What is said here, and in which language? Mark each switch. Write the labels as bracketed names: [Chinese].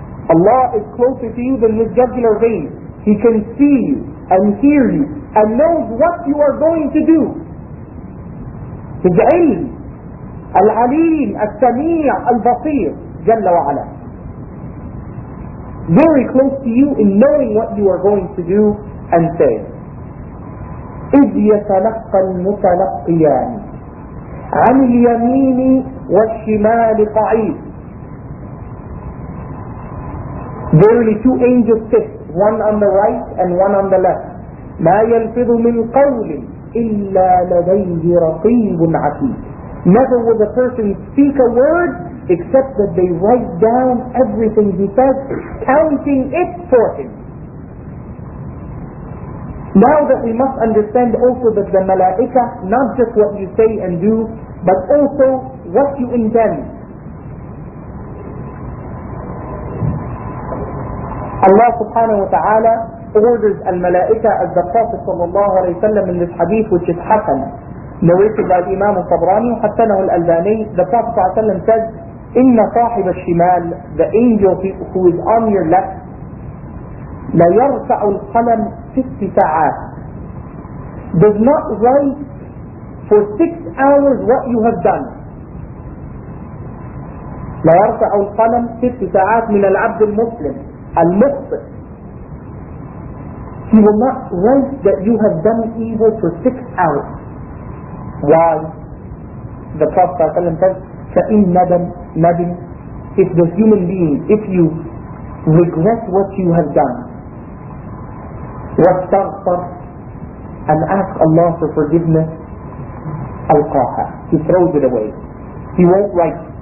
[English] Allah is closer to you than his jugular vein. He can see you and hear you and knows what you are going to do. [Arabic] His ilm, al-alim, al-sami' al-basir, jalla wa ala. [English] Very close to you in knowing what you are going to do and say. [Arabic] إِذْ يَتَلَقَّى الْمُتَلَقِّيَانِ عن اليمين والشمال قعيد. [English] Verily two angels sit, one on the right and one on the left. [Arabic] ما يلفظ من قول إلا لديه رقيب عتيد. [English] Never would a person speak a word except that they write down everything he says, counting it for him. Now that we must understand also that the malaika, not just what you say and do, but also what you intend. Allah subhanahu wa ta'ala orders al-malaika, as the Prophet sallallahu alayhi wa sallam in this hadith, which is hasan, narrated by Imam al-Tabrani, hasanahu al-Albani, the Prophet sallallahu alayhi wa sallam says, [Arabic] إن صاحب الشمال, [English] the angel who is on your left, [Arabic] لا يرفع القلم ست ساعات, [English] does not write for 6 hours what you have done. [Arabic] لا يرفع القلم ست ساعات من العبد المسلم, المخطئ. [English] He will not write that you have done evil for 6 hours. Why? The Prophet sallallahu alaihi wasallam says, [Arabic] فَإِنْ نَدَمْ [English] Nabi, if the human being, if you regret what you have done, واستغفر, and ask Allah for forgiveness, ألقاها, he throws it away. He won't write.